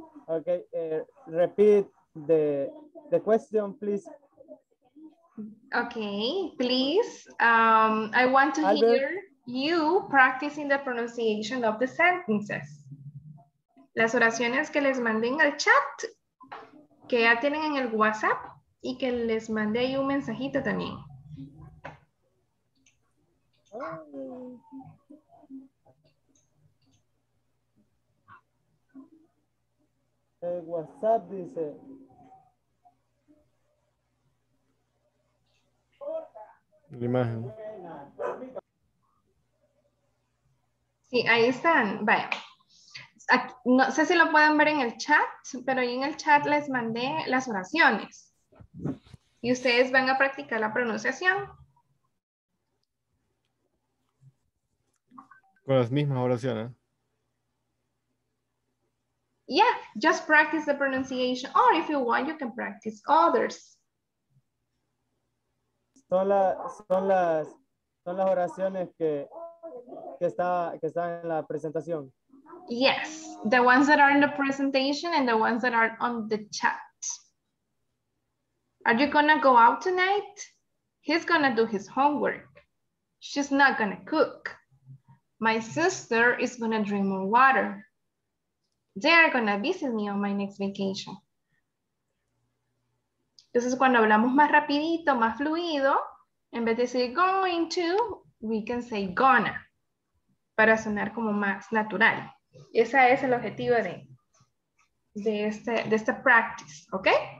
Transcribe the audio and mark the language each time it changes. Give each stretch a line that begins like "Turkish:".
English: Okay, repeat the question, please. Okay, please. I want to hear you practicing the pronunciation of the sentences.
Spanish: Las oraciones que les mandé en el chat, que ya tienen en el WhatsApp. Y que les mandé ahí un mensajito también. El WhatsApp dice. La imagen. Sí, ahí están. Vaya. Aquí, no sé si lo pueden ver en el chat, pero ahí en el chat les mandé las oraciones. Y ustedes van a practicar la pronunciación. Con las mismas oraciones.
English: Yeah, just practice the pronunciation. Or if you want, you can practice others.
Spanish: Son las oraciones que están en la presentación.
English: Yes, the ones that are in the presentation and the ones that are on the chat. Are you gonna go out tonight? He's gonna do his homework. She's not gonna cook. My sister is gonna drink more water. They are gonna visit me on my next vacation.
Spanish: Entonces cuando hablamos más rapidito, más fluido, en vez de decir going to,
English: we can say gonna,
Spanish: para sonar como más natural. Ese es el objetivo de esta practice, okay?